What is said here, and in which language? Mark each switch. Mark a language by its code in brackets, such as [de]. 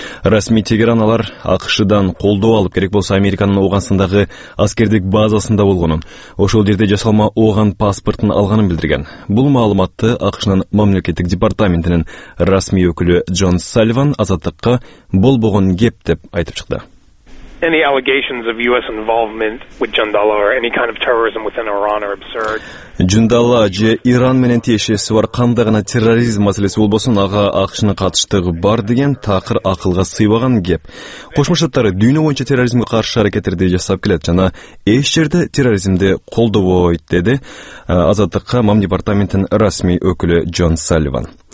[ky] Расмий Тегеран алар АКШдан колдоо алып, керек болсо Американын Огансындагы аскердик базасында болгонун, ошол жерде жасалма Оган паспортун алганын билдирген. Бул маалыматты АКШнын мамлекеттик департаментинин расмий өкүлү Джон Салливан азаттыкка болбогон кеп деп айтып чыкты. [en] Any allegations of US involvement with Jundala or any kind of terrorism within Iran are absurd. [ky] Jundala же Иран менен тиешеси бар кандай гана терроризм маселеси болбосун, ага АКШнын катыштыгы бар деген такыр акылга сыйбаган кеп. Кошмо Штаттар дүйнө боюнча терроризмге каршы аракеттерди жасап келет жана эч жерде терроризмди колдобойт, деди азаттыкка мам департаментинин расмий өкүлү Джон Салливан.